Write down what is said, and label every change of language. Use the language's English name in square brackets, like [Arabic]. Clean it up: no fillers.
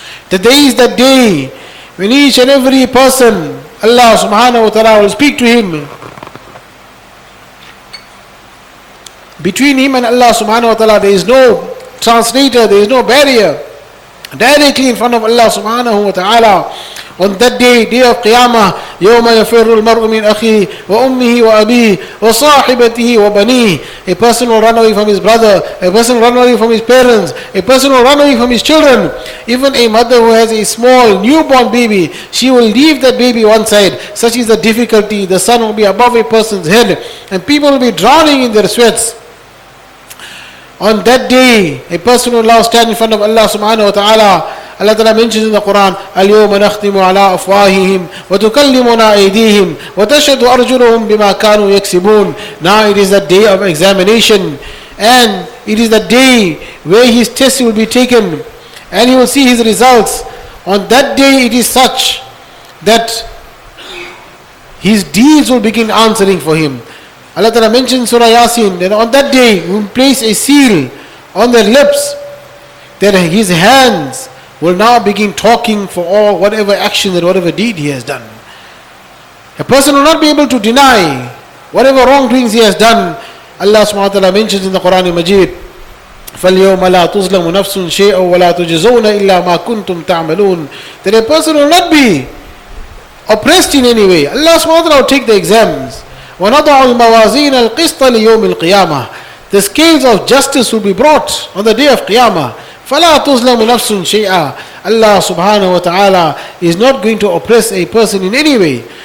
[English] Today is the day when each and every person, Allah subhanahu wa ta'ala will speak to him. Between him and Allah subhanahu wa ta'ala, there is no translator, there is no barrier. Directly in front of Allah subhanahu wa ta'ala. On that day of Qiyamah, [Arabic] يَوْمَ يَفِرُّ الْمَرْءُ مِنْ أَخِيهِ وَأُمِّهِ وَأَبِيهِ وَصَاحِبَتِهِ وَبَنِيهِ. [English] A person will run away from his brother, a person will run away from his parents, a person will run away from his children. Even a mother who has a small newborn baby, she will leave that baby one side. Such is the difficulty. The sun will be above a person's head and people will be drowning in their sweats. On that day, a person will now stand in front of Allah subhanahu wa ta'ala. Allah Ta'ala mentions in the Quran, [Arabic] اليوم نختم على أفواههم وتكلمنا أيديهم وتشهد أرجلهم بما كانوا يكسبون. [English] Now it is the day of examination, and it is the day where his test will be taken, and he will see his results. On that day, it is such that his deeds will begin answering for him. Allah Ta'ala mentions Surah Yasin, that on that day, he will place a seal on their lips, that his hands will now begin talking for all whatever action and whatever deed he has done. A person will not be able to deny whatever wrongdoings he has done. Allah subhanahu wa ta'ala mentions in the Quran Majid, [Arabic] فَالْيَوْمَ لَا تُظْلَمُ نَفْسٌ شَيْءٌ وَلَا تُجْزَوْنَ إِلَّا مَا كُنْتُمْ تَعْمَلُونَ. [English] That a person will not be oppressed in any way. Allah subhanahu wa ta'ala will take the exams. [Arabic] وَنَضَعُ الْمَوَازِينَ الْقِسْطَ لِيَوْمِ الْقِيَامَةِ. [English] The scales of justice will be brought on the day of Qiyamah. [Arabic] فَلَا تُظْلَمُ نَفْسٌ شَيْئًا. [English] Allah subhanahu wa ta'ala is not going to oppress a person in any way.